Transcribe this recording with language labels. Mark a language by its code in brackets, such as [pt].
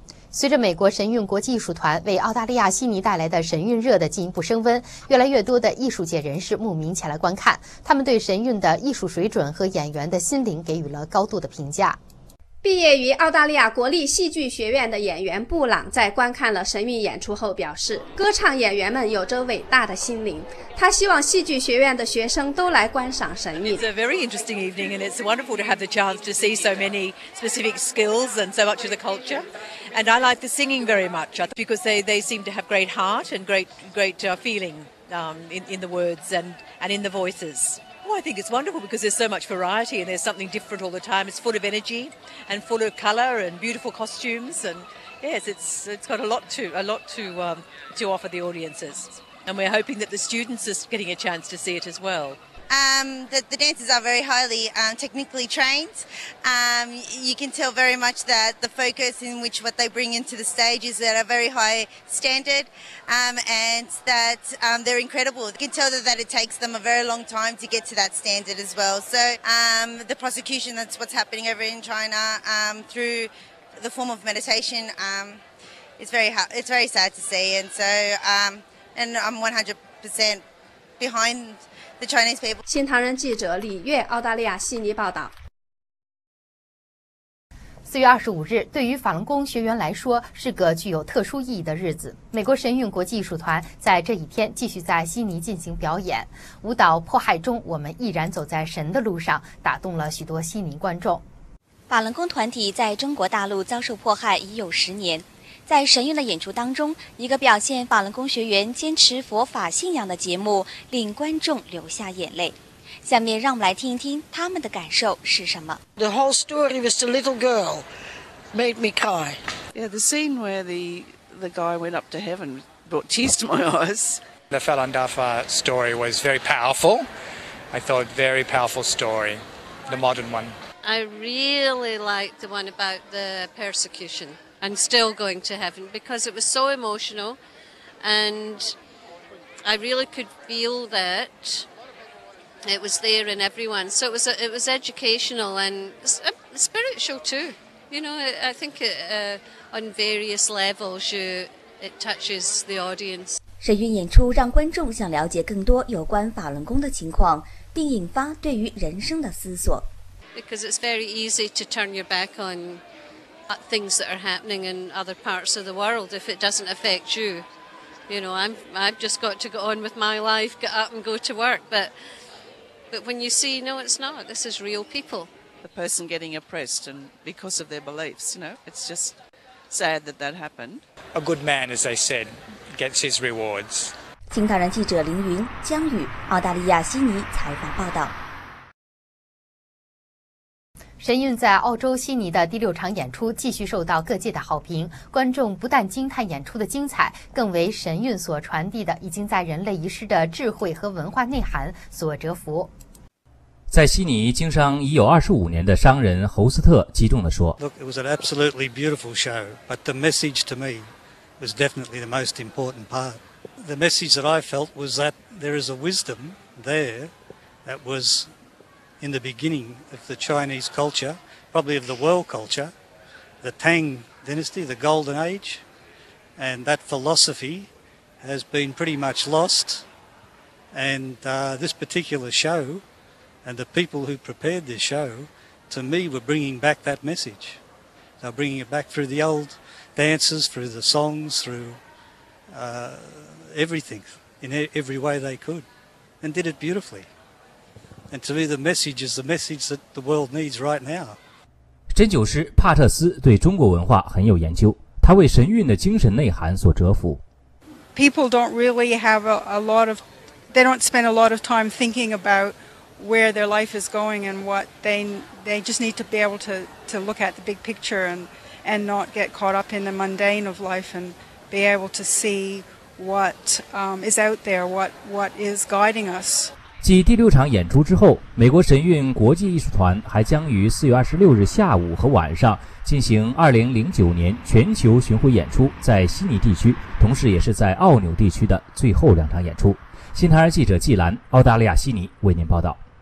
[zh] 随着美国神韵国际艺术团为澳大利亚悉尼带来的神韵热的进一步升温，越来越多的艺术界人士慕名前来观看，他们对神韵的艺术水准和演员的心灵给予了高度的评价。毕业于澳大利亚国立戏剧学院的演员布朗在观看了神韵演出后表示，歌唱演员们有着伟大的心灵，他希望戏剧学院的学生都来观赏神韵。 [en] It's a very interesting evening and it's wonderful to have the chance to see so many specific skills and so much of the culture. And I like the singing very much because they seem to have great heart and great feeling in the words and in the voices. I think it's wonderful because there's so much variety and there's something different all the time. It's full of energy and full of color and beautiful costumes. And yes, it's got a lot to offer the audiences. And we're hoping that the students are getting a chance to see it as well. The dancers are very highly technically trained. You can tell very much that the focus in which what they bring into the stage is at a very high standard and that they're incredible. You can tell that it takes them a very long time to get to that standard as well. So the prosecution, that's what's happening over in China through the form of meditation, it's very sad to see. And I'm 100% behind the Chinese people. [zh] 新唐人记者李月，澳大利亚悉尼报道。 4月25日对于法轮功学员来说是个具有特殊意义的日子，美国神韵国际艺术团在这一天继续在悉尼进行表演，舞蹈迫害中我们毅然走在神的路上打动了许多悉尼观众。法轮功团体在中国大陆遭受迫害已有十年，在神韵的演出当中，一个表现法轮功学员坚持佛法信仰的节目令观众流下眼泪。下面让我们来听一听他们的感受是什么。 [en] The whole story was the little girl made me cry. Yeah, the scene where the guy went up to heaven brought tears to my eyes. The Falun Dafa story was very powerful. I thought very powerful story, the modern one. I really liked the one about the persecution and still going to heaven because it was so emotional and I really could feel that. It was there in everyone. So it was educational and spiritual too. You know, I think on various levels, it touches the audience. [zh] 神韵演出让观众想了解更多有关法轮功的情况，并引发对于人生的思索。 [en] Because it's very easy to turn your back on things that are happening in other parts of the world if it doesn't affect you. You know, I've just got to go on with my life, get up and go to work, But when you see, no, it's not. This is real people. The person getting oppressed and because of their beliefs, you know, it's just sad that that happened. A good man, as they said, gets his rewards. [zh] 新唐人记者凌云、江宇，澳大利亚悉尼采访报道。神韵在澳洲悉尼的第六场演出继续受到各界的好评，观众不但惊叹演出的精彩，更为神韵所传递的已经在人类遗失的智慧和文化内涵所折服。在悉尼经商已有25年的商人侯斯特激动地说 [en] ：“Look, it was an absolutely beautiful show, but the message to me was definitely the most important part. The message that I felt was that there is a wisdom there that was.” In the beginning of the Chinese culture, probably of the world culture, the Tang Dynasty, the Golden Age, and that philosophy has been pretty much lost. And this particular show and the people who prepared this show, to me, were bringing back that message. They're bringing it back through the old dances, through the songs, through everything, in every way they could, and did it beautifully. And to me, the message is the message that the world needs right now. [zh] 针灸师帕特斯对中国文化很有研究，他为神韵的精神内涵所折服。 [en] People don't really have they don't spend a lot of time thinking about where their life is going and what they just need to be able to look at the big picture and not get caught up in the mundane of life and be able to see what is out there, what is guiding us. [zh] 继第六场演出之后，美国神韵国际艺术团还将于4月26日下午和晚上进行2009年全球巡回演出，在悉尼地区，同时也是在澳纽地区的最后两场演出。新唐人记者纪兰，澳大利亚悉尼为您报道。